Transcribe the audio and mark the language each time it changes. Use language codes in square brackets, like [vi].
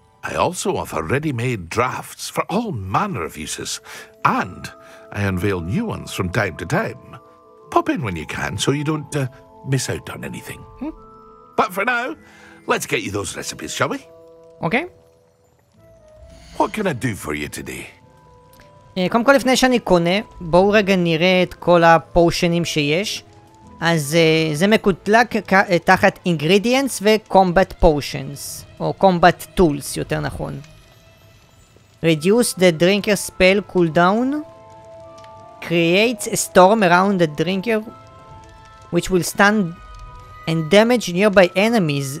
[en] I also offer ready-made drafts for all manner of uses, and I unveil new ones from time to time. Pop in when you can, so you don't miss out on anything. But for now, let's get you those recipes, shall we? Okay. What can I do for you today? [he] קודם כל, לפני שאני קונה, בואו רגע נראה את כל הפושנים שיש. אז זה מקוטלק תחת ingredients ו-combat potions, או combat tools, יותר נכון. [en] Reduce the drinker spell cooldown. creates a storm around the drinker, which will stun and damage nearby enemies.